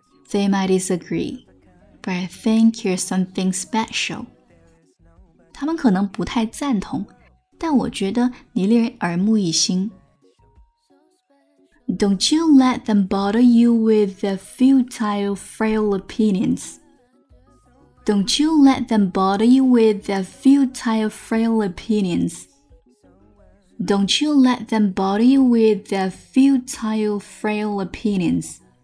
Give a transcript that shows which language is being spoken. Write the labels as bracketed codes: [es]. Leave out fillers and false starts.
[en] They might disagree, but I think you're something special. [zh] 他们可能不太赞同，但我觉得你令人耳目一新。 [en] Don't you let them bother you with their futile, frail opinions. Don't you let them bother you with their futile, frail opinions. Don't you let them bother you with their futile, frail opinions.